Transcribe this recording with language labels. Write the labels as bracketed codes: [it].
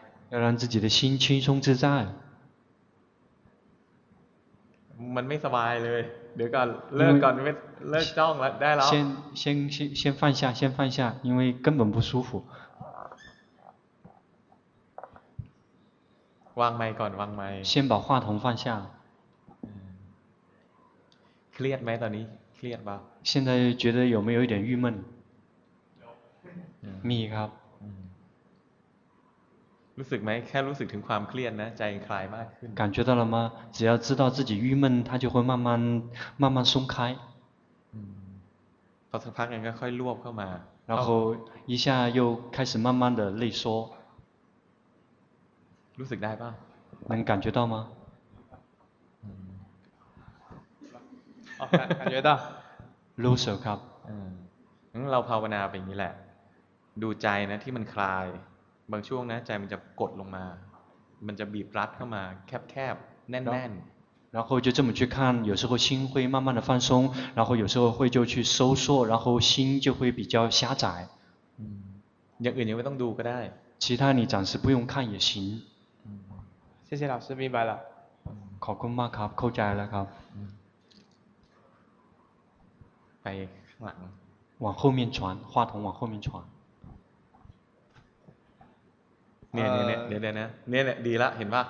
[zh] 要让自己的心轻松自在。 [th] มันไม่สบายเลยเดี๋ยวก่อนเลิกก่อนไม่เลิกจ้องแล้วได้แล้ว [zh] 先放下先放下因为根本不舒服 [th] วางไมค์ก่อนวางไมค์ [zh] 先把话筒放下 [th] เครียดไหมตอนนี้เครียดป่ะ [zh] 现在觉得有没有一点郁闷 [th] มีครับ รู้สึกไหมแค่รู้สึกถึงความเครียดนะใจคลายมากขึ้น [zh] 感觉到了吗只要知道自己郁闷它就会慢慢松开 [th] พอสักพักเองก็ค่อยรวบเข้ามา [zh] 然后一下又开始慢慢的内缩 [th] รู้สึกได้ป่ะ [zh] 能感觉到吗感觉到 [th] รู้สึกครับ เราภาวนาแบบนี้แหละดูใจนะที่มันคลายบางช่วงนะใจมันจะกดลงมามันจะบีบรัดเข้ามาแคบๆแน่นๆแ ล้วก็ [zh] 就这么去看有时候心会慢慢的放松然后有时候会就去收缩然后心就会比较狭窄 [th] อย่างอื่นยังไม่ต้องดูก็ได้ [zh] 其他你暂时不用看也行谢谢老师明白了 [th] ขอบคุณมากครับเข้าใจแล้วครับ ไปข้างหลัง [zh] 往后面传话筒往后面传 [th] เนี่ยเนี่ยเดี๋ยวนะเนี่ยดีละเห็นป่ะ